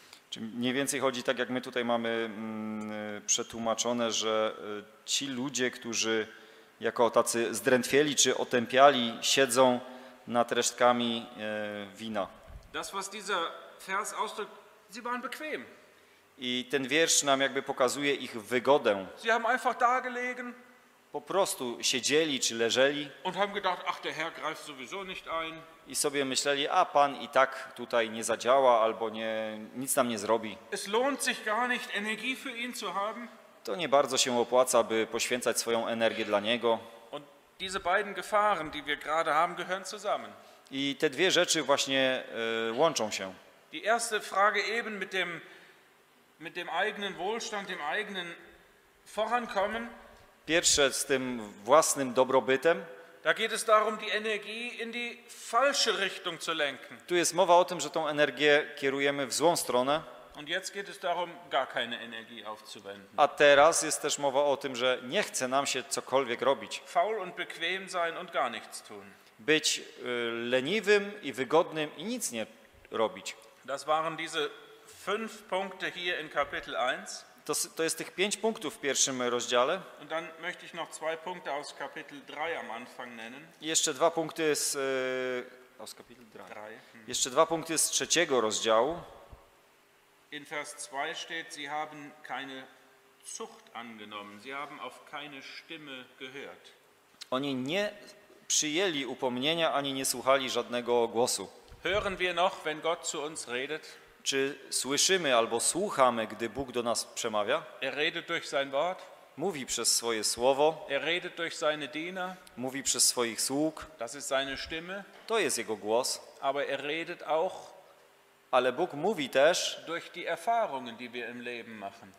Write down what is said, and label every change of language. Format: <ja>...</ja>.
<pl>Czyli mniej więcej chodzi tak, jak my tutaj mamy przetłumaczone, że ci ludzie, którzy jako tacy zdrętwieli czy otępiali, siedzą nad resztkami wina.</pl> <de>Das, was dieser Vers ausdrückt, sie waren bequem.</de> <pl>I ten wiersz nam jakby pokazuje ich wygodę.</pl> <de>Sie haben einfach da gelegen.</de> <pl>Po prostu siedzieli czy leżeli.</pl> <de>Und haben gedacht, ach, der Herr greift sowieso nicht ein.</de> <pl>I sobie myśleli, a Pan i tak tutaj nie zadziała, albo nie, nic nam nie zrobi.</pl> <de>Es lohnt sich gar nicht, Energie für ihn zu haben.</de> <pl>To nie bardzo się opłaca, by poświęcać swoją energię dla Niego.</pl> <de>Und diese beiden Gefahren, die wir gerade haben, gehören zusammen.</de> <pl>I te dwie rzeczy właśnie łączą się.</pl> <de>Die erste Frage eben mit dem eigenen Wohlstand, dem eigenen Vorankommen.</de> <pl>Pierwsze z tym własnym dobrobytem.</pl> <de>Da geht es darum, die Energie in die falsche Richtung zu lenken.</de> <pl>Tu jest mowa o tym, że tą energię kierujemy w złą stronę.</pl> <de>Und jetzt geht es darum, gar keine Energie aufzuwenden.</de> <pl>A teraz jest też mowa o tym, że nie chce nam się cokolwiek robić.</pl> <de>Faul und bequem sein und gar nichts tun.</de> <pl>Być leniwym i wygodnym i nic nie robić.</pl> <de>Das waren diese fünf Punkte hier in Kapitel 1.</de> <pl>To jest tych pięć punktów w pierwszym rozdziale.</pl> <de>Und dann möchte ich noch zwei Punkte aus Kapitel 3 am Anfang nennen.</de> <pl>Jeszcze dwa punkty z</pl> <de>aus Kapitel 3.</de> <pl>Jeszcze dwa punkty z trzeciego rozdziału.</pl> <de>In Vers 2 steht, sie haben keine Zucht angenommen. Sie haben auf keine Stimme gehört.</de> <pl>Oni nie przyjęli upomnienia ani nie słuchali żadnego głosu.</pl> <de>Hören wir noch, wenn Gott zu uns redet?</de> <pl>Czy słyszymy albo słuchamy, gdy Bóg do nas przemawia?</pl> <de>Er redet durch sein Wort.</de> <pl>Mówi przez swoje słowo.</pl> <de>Er redet durch seine Diener.</de> <pl>Mówi przez swoich sług.</pl> <de>Das ist seine Stimme.</de> <pl>To jest jego głos.</pl> <de>Aber er redet auch.</de> <pl>Ale Bóg mówi też</pl> <de>durch die Erfahrungen, die wir im Leben machen.</de>